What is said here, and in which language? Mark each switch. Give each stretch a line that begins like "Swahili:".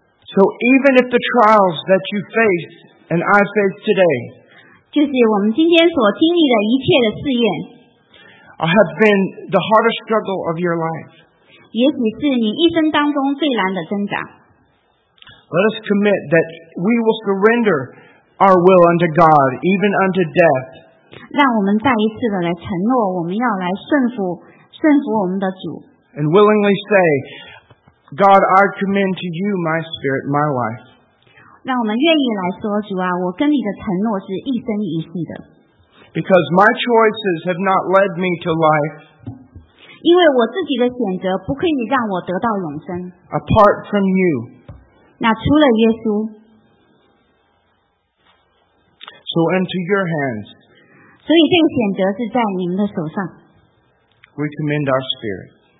English: So even if the trials that you face and I face today，
Chinese: 就是我们今天所经历的一切的试验。
English: I have been the hardest struggle of your life.
Chinese: 也许是你一生当中最难的挣扎。
English: Let us commit that we will surrender our will unto God, even unto death.
Chinese: 让我们再一次的来承诺，我们要来顺服我们的主。
English: And willingly say, God, I commend to you my spirit, my life.
Chinese: 让我们愿意来说，主啊，我跟你的承诺是一生一世的。
English: Because my choices have not led me to life.
Chinese: 因为我自己的选择不可以让我得到永生。
English: Apart from you.
Chinese: 那除了耶稣。
English: So into your hands.
Chinese: 所以这个选择是在你们的手上。
English: We commend our spirit.